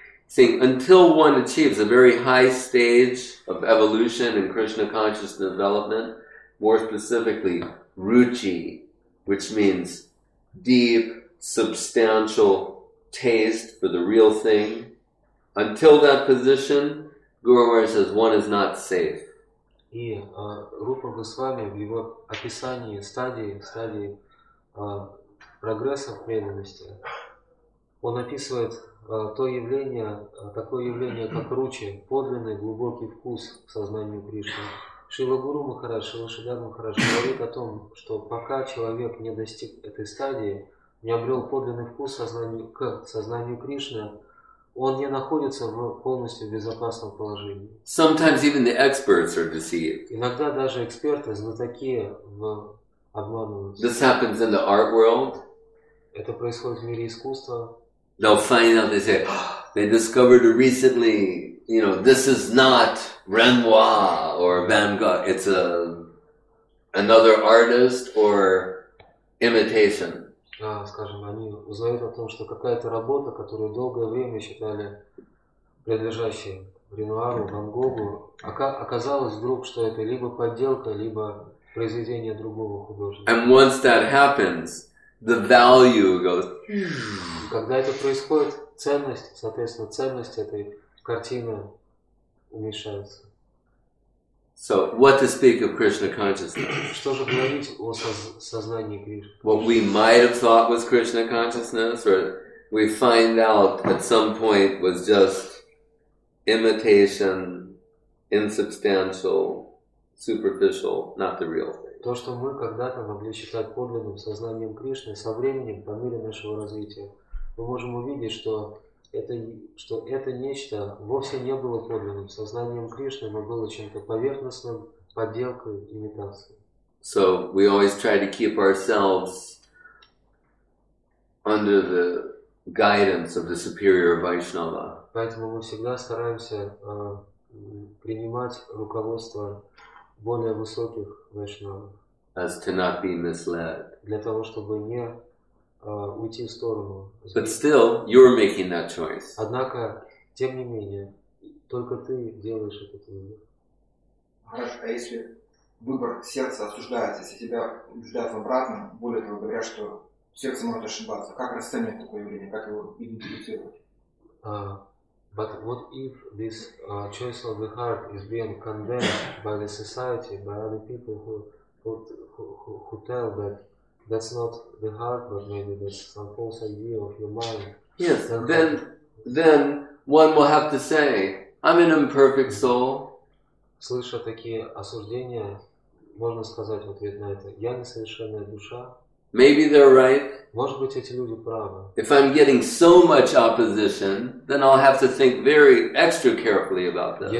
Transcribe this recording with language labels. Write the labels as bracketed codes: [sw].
[en] Saying, until one achieves a very high stage of evolution and Krishna conscious development, more specifically, Ruchi, which means deep, substantial taste for the real thing, until that position, Guru Maharaj says, one is not safe. [ru] И Рупа Госвами в его описании стадии прогресса в преданности, он описывает такое явление, как ручи, подлинный глубокий вкус в сознании Кришны. Шрила Гуру Махарадж, Шрила Шридхар Махарадж говорит о том, что пока человек не достиг этой стадии, не обрел подлинный вкус к сознанию Кришны, он не находится в полностью безопасном положении. [en] Sometimes even the experts are deceived. [ru] Иногда даже эксперты, знатоки, обманываются. [en] This happens in the art world. [ru] Это происходит в мире искусства. [en] They'll find out, they say, they discovered recently, you know, this is not Renoir or Van Gogh. It's another artist or imitation. [ru] Скажем, они узнают о том, что какая-то работа, которую долгое время считали принадлежащей Ренуару, Ван Гогу, оказалось вдруг, что это либо подделка, либо произведение другого художника. [en] And once that happens, the value goes... [ru] И когда это происходит, ценность, соответственно, ценность этой картины уменьшается. [en] So, what to speak of Krishna consciousness? [ru] Что же говорить о сознании Кришны? [en] What we might have thought was Krishna consciousness, or we find out at some point was just imitation, insubstantial, superficial, not the real thing. [ru] То, что мы когда-то могли считать подлинным сознанием Кришны, со временем, по мере нашего развития, мы можем увидеть, что это нечто вовсе не было подлинным сознанием Кришны, но было чем-то поверхностным, подделкой, имитацией. [en] So we always try to keep ourselves under the guidance of the superior Vaishnava. [ru] Поэтому мы всегда стараемся принимать руководство более высоких Вайшнава. [en] As to not be misled. [ru] Для того, чтобы не уйти в сторону. [en] But still, you're making that choice. [ru] Однако, тем не менее, только ты делаешь этот выбор. Хорошо, а если выбор сердца осуждается, если тебя убеждают в обратном, более того говоря, что сердце может ошибаться, как расценивать такое явление, как его идентифицировать? [en] But what if this choice of the heart is being condemned by the society, by other people who tell that that's not the heart, but maybe that's some false idea of your mind. Yes, then one will have to say, I'm an imperfect soul. [ru] Слыша такие осуждения, можно сказать в ответ на это, я несовершенная душа. [en] Maybe they're right. [ru] Может быть, эти люди правы. [en] If I'm getting so much opposition, then I'll have to think very extra carefully about this.